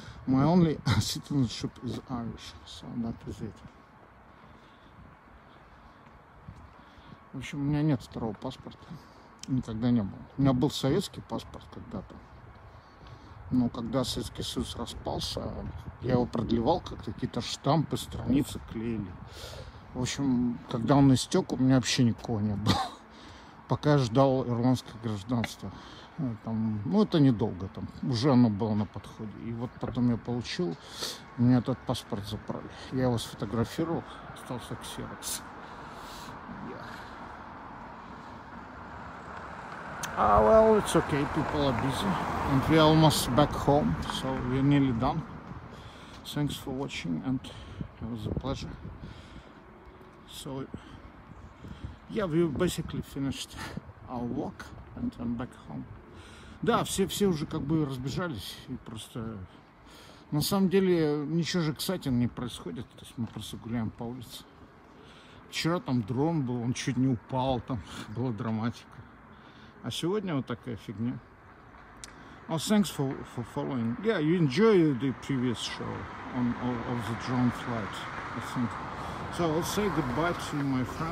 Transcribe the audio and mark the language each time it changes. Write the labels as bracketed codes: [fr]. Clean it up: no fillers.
[en] My only citizenship is Irish, so that is it. [ru] В общем, у меня нет второго паспорта. Никогда не было. У меня был советский паспорт когда-то. Но когда Советский Союз распался, я его продлевал, как какие-то штампы, страницы клеили. В общем, когда он истек, у меня вообще никого не было. Пока я ждал ирландское гражданство. Там, ну, это недолго. Там уже оно было на подходе. И вот потом я получил, у меня этот паспорт забрали. Я его сфотографировал, остался ксерокс. [en] Ah, well, it's okay, people are busy, and we're almost back home, so we're nearly done. Thanks for watching, and it was a pleasure. So, yeah, we basically finished our walk, and I'm back home. [ru] Да, все уже как бы разбежались, и просто... На самом деле, ничего же, кстати, не происходит, то есть мы просто гуляем по улице. Вчера там дрон был, он чуть не упал, там была драматика. А сегодня вот такая фигня. [en] Oh, thanks for following. Yeah, you enjoyed the previous show on of the drone flight, I think. So I'll say goodbye to my friend.